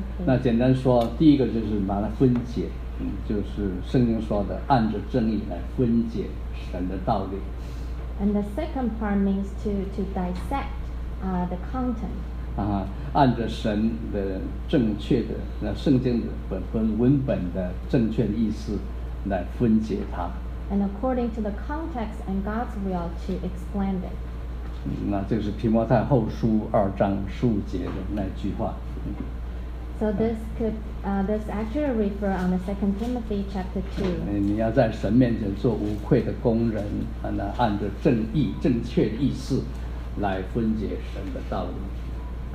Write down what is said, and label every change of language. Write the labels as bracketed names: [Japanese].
[Chinese] 那简单说，第一个就是把它分解，就是圣经说的按着真理来分解神的道理。 [English] And the second part means to dissect the content. [Chinese] 按着神的正确的那圣经的文本的正确的意思来分解它。 [English] And according to the context and God's will to explain it. [Chinese] 那这是提摩太后书二章十五节的那句话。 [English] So this could actually refer on the Second Timothy chapter 2. [Chinese] 你要在神面前做无愧的工人，那按着正义正确的意思来分解神的道理。